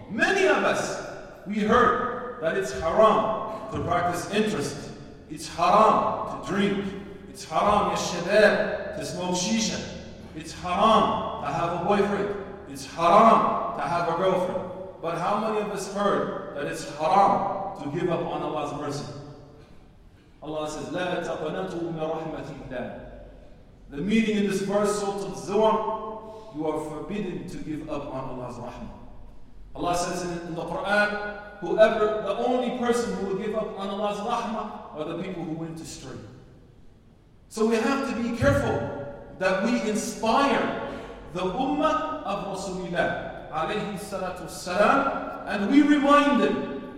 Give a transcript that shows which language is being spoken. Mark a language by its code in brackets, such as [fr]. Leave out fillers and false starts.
[en] Many of us, we heard that it's haram to practice interest. It's haram to drink. It's haram, ya shabab, to smoke shisha. It's haram to have a boyfriend. It's haram to have a girlfriend. But how many of us heard that it's haram to give up on Allah's mercy? Allah says, [ar] لَا تَقْنَتُوا مِنْ رَحْمَةِ اللَّهِ. [en] The meaning in this verse, Surah Az-Zumar, you are forbidden to give up on Allah's rahmah. Allah says in the Quran, the only person who will give up on Allah's rahmah are the people who went astray. So we have to be careful that we inspire the ummah of Rasulullah alayhi salatu salam, and we remind them.